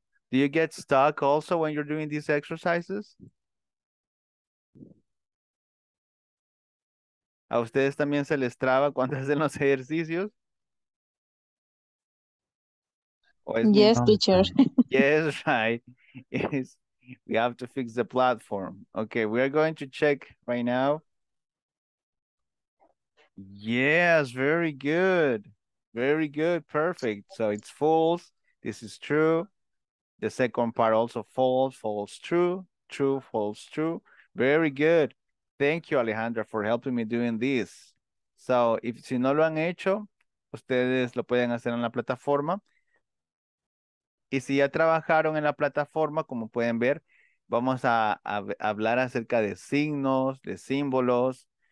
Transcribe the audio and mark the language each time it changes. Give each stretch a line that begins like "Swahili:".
English: Do you get stuck also when you're doing these exercises?
Spanish: ¿A ustedes también se les traba cuando hacen los ejercicios?
English: Yes, teacher. Yes, right. Is we have to fix the platform. Okay, we are going to check right now. Yes, very good. Very good, perfect. So it's false, this is true. The second part also false, false, true, true, false, true. Very good. Thank you, Alejandra, for helping me doing this. So if
Spanish: si no lo han hecho, ustedes lo pueden hacer en la plataforma. Y si ya trabajaron en la plataforma, como pueden ver, vamos a hablar acerca de signos, de símbolos.